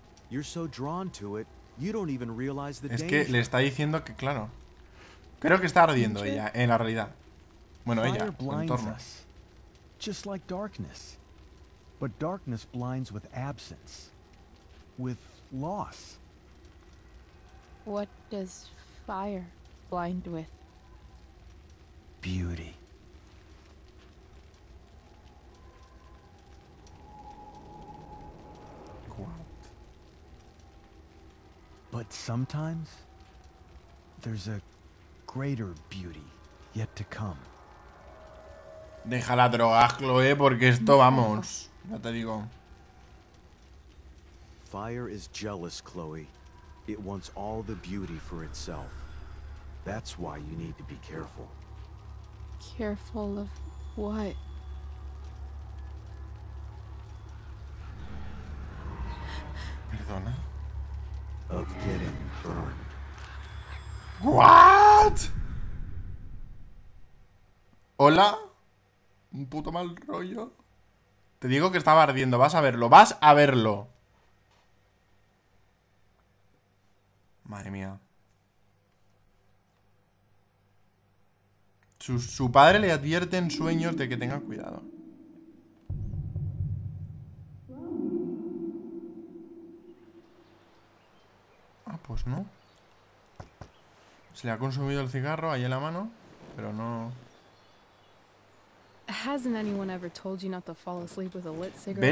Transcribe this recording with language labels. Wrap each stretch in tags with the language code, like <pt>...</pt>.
<en>You're so drawn to it, you don't even realize the danger.</en> <es>Es que le está diciendo que claro. Creo que está ardiendo ella en la realidad. Bueno, ella,</es> <en>fire blinds us, just like darkness. But darkness blinds with absence, with loss. What does fire blind with? Beauty. What? But sometimes, there's a greater beauty yet to come.</en> <es>Deja la droga, Chloe, porque esto vamos. Ya te digo.</es> <en>Fire is jealous, Chloe. It wants all the beauty for itself. That's why you need to be careful. Careful of what?</en> <es>Perdona.</es> <en>Of getting burned. What?</en> <es>Hola. Un puto mal rollo. Te digo que estaba ardiendo. Vas a verlo. Vas a verlo. Madre mía. Su padre le advierte en sueños de que tenga cuidado. Ah, pues no. Se le ha consumido el cigarro ahí en la mano, pero no.</es> <en>Hasn't anyone ever told you not to fall asleep with a lit cigarette?</en>